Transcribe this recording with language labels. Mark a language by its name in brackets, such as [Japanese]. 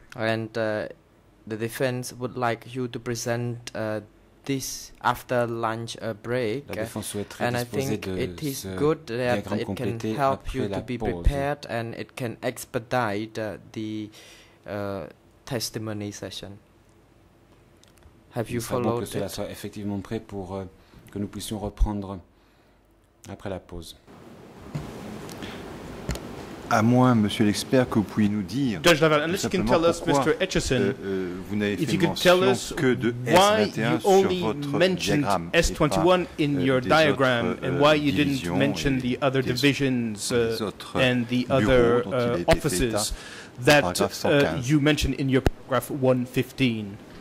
[English] And the Defense would like you to present this after lunch break, and I think it is good that it can help you to be prepared and it can expedite the testimony session. Have you followed it? [French] Soit effectivement prêt pour que nous puissions reprendre après la pause. À moins, Monsieur l'expert, que vous puissiez nous dire. [English] Judge Laval, unless you can tell us, Mr. Etcheson, [French] vous n'avez fait mention que de S21 sur votre diagramme, et pas des autres divisions. [English] Why you only mentioned S21 in your diagram, and why you didn't mention the other divisions and the other offices that you mentioned in your paragraph 115?